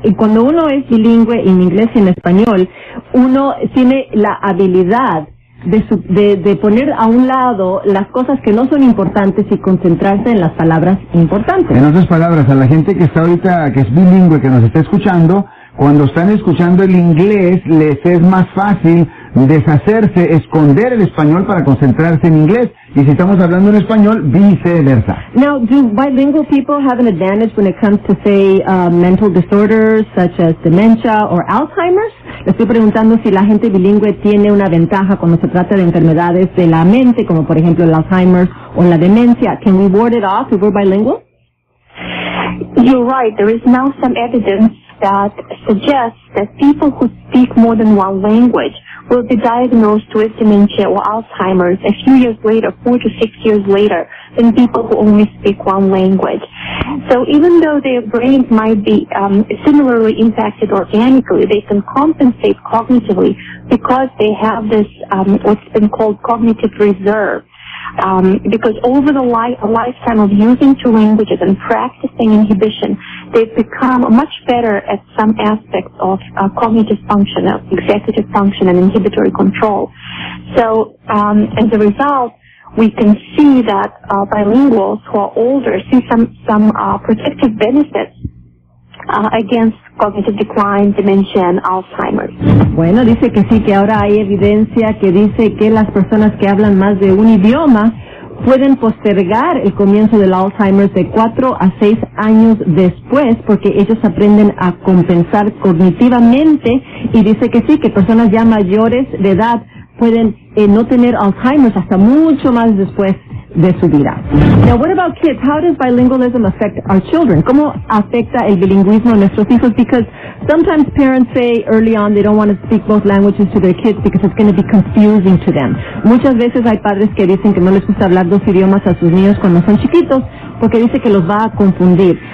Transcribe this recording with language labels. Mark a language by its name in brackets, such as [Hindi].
[Spanish] Y cuando uno es bilingüe en inglés y en español, uno tiene la habilidad de poner a un lado las cosas que no son importantes y concentrarse en las palabras importantes. En otras palabras, a la gente que está ahorita, que es bilingüe, que nos está escuchando, cuando están escuchando el inglés, les es más fácil deshacerse, esconder el español para concentrarse en inglés. Y si estamos hablando en español, viceversa. [English] Now, do bilingual people have an advantage when it comes to, say, mental disorders such as dementia or Alzheimer's? [Spanish] Le estoy preguntando si la gente bilingüe tiene una ventaja cuando se trata de enfermedades de la mente, como por ejemplo el Alzheimer's o la demencia. [English] Can we ward it off if we're bilingual? You're right. There is now some evidence that suggests that people who speak more than one language will be diagnosed with dementia or Alzheimer's a few years later, 4 to 6 years later, than people who only speak one language. So even though their brains might be similarly impacted organically, they can compensate cognitively because they have this what's been called cognitive reserve. Because over the lifetime of using two languages and practicing inhibition, they've become much better at some aspects of cognitive function, of executive function and inhibitory control. So as a result, we can see that bilinguals who are older see some protective benefits against cognitive decline, dementia, and Alzheimer's. [Spanish] Bueno, dice que sí, que ahora hay evidencia que dice que las personas que hablan más de un idioma pueden postergar el comienzo del Alzheimer's de 4 a 6 años después, porque ellos aprenden a compensar cognitivamente. Y dice que sí, que personas ya mayores de edad pueden no tener Alzheimer's hasta mucho más después de su vida. [English] Now, what about kids? How does bilingualism affect our children? [Spanish] ¿Cómo afecta el bilingüismo a nuestros hijos? [English] Because sometimes parents say early on they don't want to speak both languages to their kids because it's going to be confusing to them. [Spanish] Muchas veces hay padres que dicen que no les gusta hablar dos idiomas a sus niños cuando son chiquitos porque dice que los va a confundir.